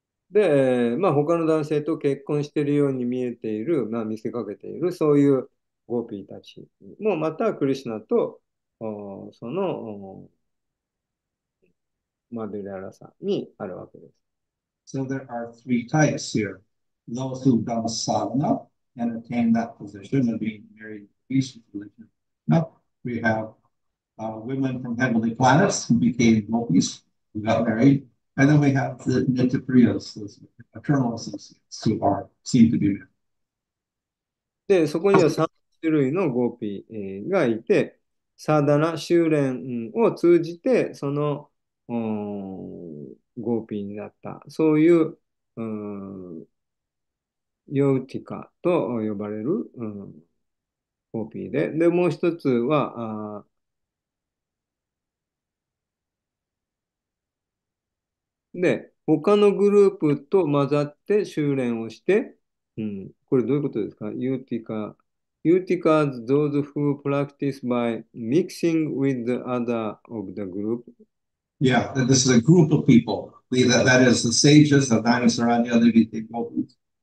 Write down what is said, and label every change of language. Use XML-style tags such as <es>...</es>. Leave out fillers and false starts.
<ja>で、まあ、他の男性と結婚しているように見えている、まあ、見せかけている、そういうゴーピーたちも、また、クリシナと、その、マデュララさんにあるわけです。</ja> <en>So there are three types here. Those who've done sadhana and attained that position of being married to Krishna religion. Now we have women from heavenly planets who became gopis, who got married. And then we have the Nityapriyas, the eternal associates, who are seem to be men.</en> <ja>で、そこには3種類のゴーピーがいて、サーダナ、修練を通じて、そのーゴーピーになった。そういう、ヨウティカと呼ばれる、ゴーピーで。で、もう一つは、で、他のグループと混ざって修練をして、これどういうことですか？ユーティカ。</ja> <en>ユーティカ is those who practice by mixing with the other of the group. Yeah, this is a group of people. That is the sages of Dhanasaranya, they became gopis.</en>